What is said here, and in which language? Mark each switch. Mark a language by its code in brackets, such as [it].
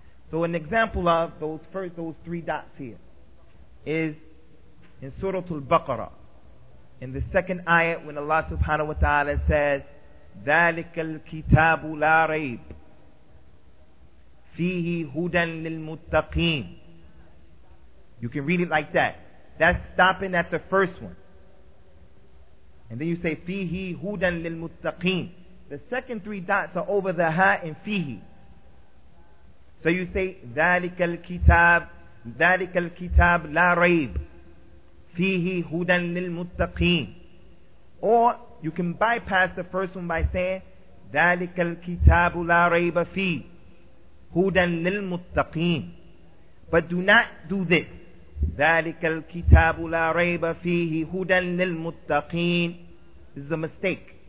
[en] So an example of those three dots here is in Surah Al-Baqarah, in the second ayah, when Allah subhanahu wa ta'ala says, [ar] ذَلِكَ الْكِتَابُ لَا رَيْبُ فِيهِ هُدًى لِلْمُتَّقِينَ. [en] You can read it like that. That's stopping at the first one. And then you say, [ar] فِيهِ هُدًى لِلْمُتَّقِينَ. [en] The second three dots are over the ha and فِيهِ. So you say, [ar] ذَلِكَ الْكِتَابُ لَا رَيْبُ فِيهِ هُدًى لِلْمُتَّقِينَ. [en] Or you can bypass the first one by saying, [ar] ذَلِكَ الْكِتَابُ لَا رَيْبَ فِيهِ هُدًى لِلْمُتَّقِينَ. [en] But do not do this. [ar] ذَلِكَ الْكِتَابُ لَا رَيْبَ فِيهِ هُدًى لِلْمُتَّقِينَ. [en] This is a mistake.